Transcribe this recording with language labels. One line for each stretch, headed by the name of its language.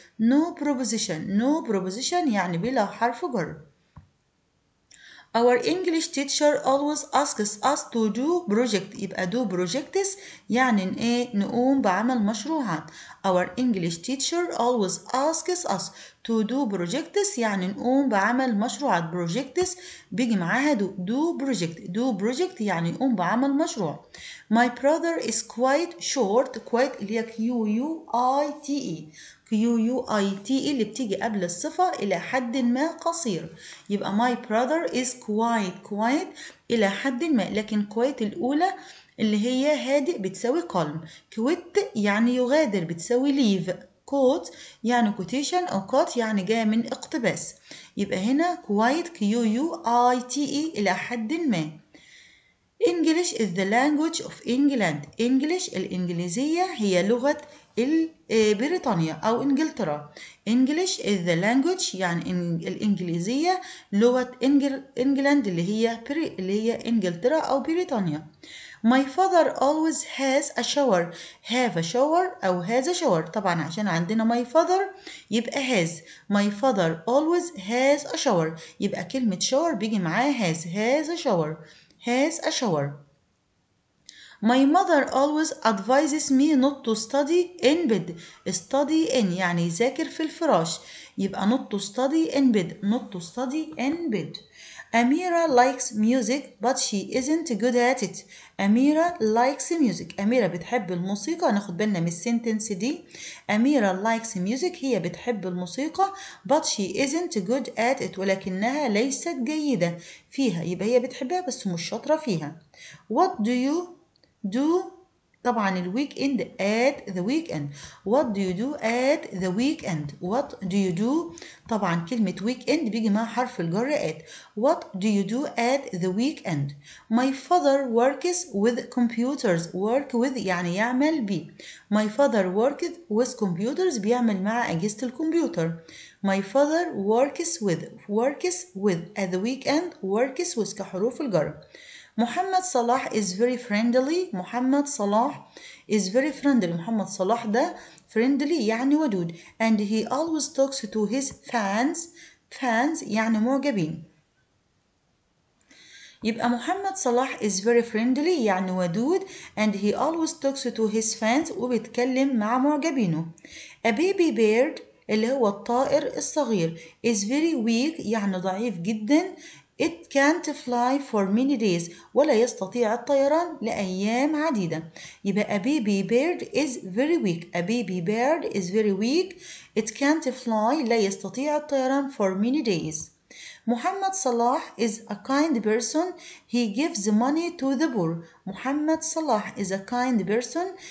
English: No preposition. No preposition
Arabic: يعني بلا حرف جر.
English: Our English teacher always asks us to do project.
Arabic: يبقى
English: do projects
Arabic: يعني ايه؟ نقوم بعمل مشروعات.
English: Our English teacher always asks us to do projects
Arabic: يعني نقوم بعمل مشروعات.
English: Projects
Arabic: بيجي معاها
English: do project. Do project
Arabic: يعني نقوم بعمل مشروع.
English: My brother is quite short. Quite اللي هي quite.
Arabic: quite اللي بتيجي قبل الصفة إلى حد ما قصير.
English: يبقى my brother is quite.
Arabic: quite إلى حد ما. لكن quite الأولى اللي هي هادئ بتساوي calm. quit يعني يغادر بتساوي leave. كوت يعني كوتيشن أو كوت يعني جاء من اقتباس. يبقى هنا quite quite إلى حد ما.
English: English is the language of England.
Arabic: English الإنجليزية هي لغة بريطانيا أو إنجلترا.
English: English is the language
Arabic: يعني الإنجليزية لغة إنجلاند اللي هي إنجلترا أو بريطانيا.
English: My father always has a shower. Have a shower أو has a shower.
Arabic: طبعا عشان عندنا my father يبقى has.
English: My father always has a shower.
Arabic: يبقى كلمة shower بيجي معاه has.
English: Has a shower. Has a shower. My mother always advises me not to study in bed.
Arabic: Study in يعني ذاكر في الفراش.
English: يبقى not to study in bed. Not to study in bed. Amira likes music but she isn't good at it. Amira likes music.
Arabic: Amira بتحب الموسيقى. ناخد بالنا من السنتنس دي. Amira likes music. هي بتحب الموسيقى.
English: But she isn't good at it.
Arabic: ولكنها ليست جيدة فيها. يبقى هي بتحبها بس مش شاطرة فيها.
English: What do you do?
Arabic: طبعا الويكند
English: at the weekend. What do you do at the weekend? What do you do?
Arabic: طبعا كلمة weekend بيجي مع حرف الجر at.
English: What do you do at the weekend? My father works with computers.
Arabic: Work with يعني يعمل بي.
English: My father works with computers.
Arabic: بيعمل مع أجهزة الكمبيوتر.
English: My father works with at the weekend. Works with
Arabic: كحروف الجر.
English: محمد صلاح is very friendly. محمد صلاح is very friendly.
Arabic: محمد صلاح ده friendly يعني ودود.
English: And he always talks to his fans.
Arabic: Fans يعني معجبين. يبقى محمد صلاح
English: is very friendly
Arabic: يعني ودود.
English: And he always talks to his fans
Arabic: وبيتكلم مع معجبينه.
English: A baby bird
Arabic: اللي هو الطائر الصغير
English: is very weak
Arabic: يعني ضعيف جدا.
English: It can't fly for many days.
Arabic: ولا يستطيع الطيران لأيام عديدة.
English: يبقى a baby bird is very weak. A baby bird is very weak. It can't fly.
Arabic: لا يستطيع الطيران
English: for many days. محمد صلاح is a kind person. He gives money to the poor. محمد صلاح is a kind person.